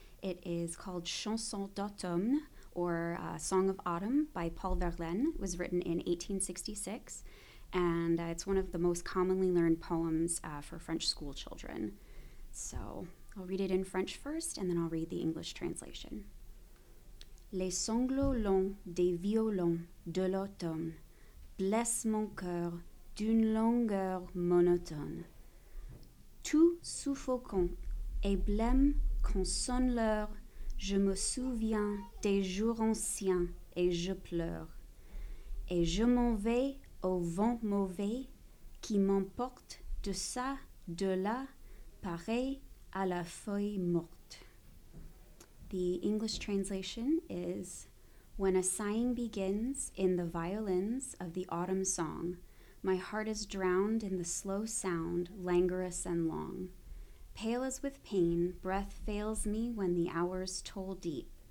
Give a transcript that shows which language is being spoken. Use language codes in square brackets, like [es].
[en] It is called Chanson d'automne, or Song of Autumn, by Paul Verlaine. It was written in 1866, and it's one of the most commonly learned poems for French school children. So I'll read it in French first, and then I'll read the English translation. [fr] Les sanglots longs des violons de l'automne blessent mon cœur d'une langueur monotone. Tout suffocant et blême quand sonne l'heure, je me souviens des jours anciens et je pleure. Et je m'en vais au vent mauvais qui m'emporte de ça, de là, pareil à la feuille morte. [en] The English translation is, when a sighing begins in the violins of the autumn song, my heart is drowned in the slow sound, languorous and long. Pale as with pain, breath fails me when the hours toll deep.